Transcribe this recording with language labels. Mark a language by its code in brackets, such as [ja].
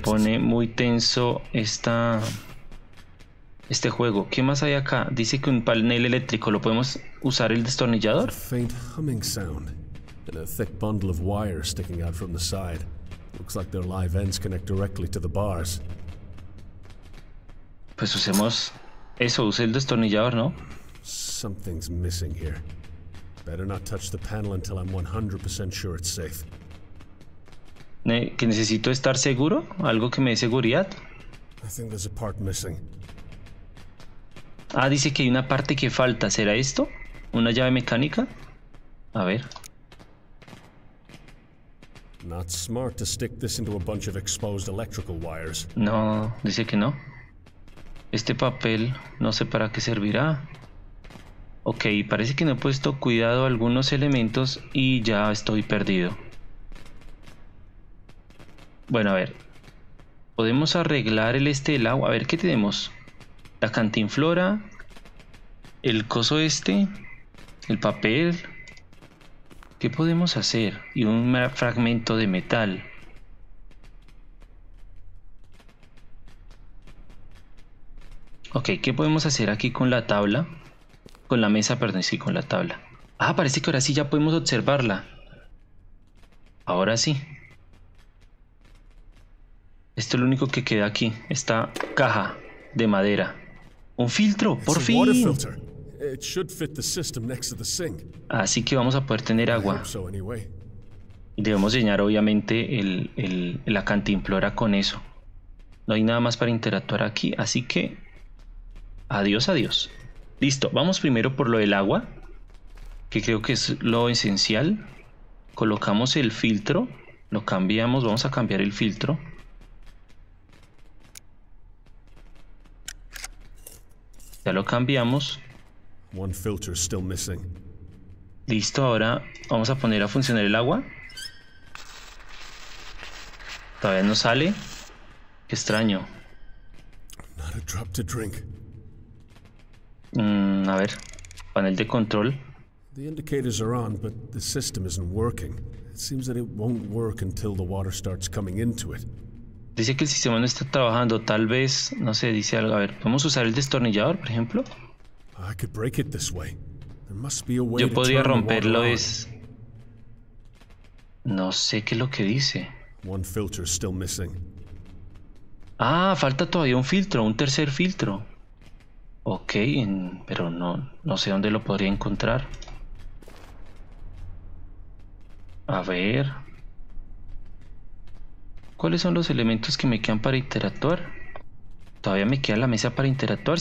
[es] pone muy tenso este juego. ¿Qué más hay acá? Dice que un panel eléctrico. ¿Lo podemos usar el [en] There's a [es] destornillador? [en] faint humming sound, and a thick bundle of wire sticking out from the side. Looks like their live ends connect directly to the bars. [es] Pues usemos eso, use el destornillador, ¿no? [en] Something's missing here. Better not touch the panel until I'm 100% sure it's safe. [es] Ne ¿Que necesito estar seguro? ¿Algo que me dé seguridad? [en] I think there's a part missing. [es] Ah, dice que hay una parte que falta. ¿Será esto? ¿Una llave mecánica? A ver. [en] Not smart to stick this into a bunch of exposed electrical wires. [es] No, dice que no. Este papel no sé para qué servirá. Ok, parece que no he puesto cuidado a algunos elementos y ya estoy perdido. Bueno, a ver. Podemos arreglar el agua. A ver, ¿qué tenemos? La cantimplora. El coso este. El papel. ¿Qué podemos hacer? Y un fragmento de metal. Ok, ¿qué podemos hacer aquí con la tabla? Con la mesa, perdón, sí, con la tabla. Ah, parece que ahora sí ya podemos observarla. Ahora sí. Esto es lo único que queda aquí, esta caja de madera. ¡Un filtro! ¡Por [en] It's [es] fin! [en] A water filter. It should fit the system next to the sink. [es] Así que vamos a poder tener agua. [en] So anyway. [es] Debemos llenar obviamente la cantimplora con eso. No hay nada más para interactuar aquí, así que adiós, adiós. Listo, vamos primero por lo del agua, que creo que es lo esencial. Colocamos el filtro, lo cambiamos, vamos a cambiar el filtro. Ya lo cambiamos. [en] One filter still missing. [es] Listo, ahora vamos a poner a funcionar el agua. Todavía no sale. Qué extraño. [en] Not a drop to drink. [es] A ver, panel de control. [en] The indicators are on, but the system isn't working. It seems that it won't work until the water starts coming into it. [es] Dice que el sistema no está trabajando. Tal vez, no sé, dice algo. A ver, ¿podemos usar el destornillador, por ejemplo? [en] I could break it this way. There must be a way [es] Yo podría [en] to turn [es] romperlo [en] the water [es] es. No sé qué es lo que dice. [en] One filter still missing. [es] Ah, falta todavía un filtro, un tercer filtro. Ok, pero no sé dónde lo podría encontrar. A ver. ¿Cuáles son los elementos que me quedan para interactuar? Todavía me queda la mesa para interactuar.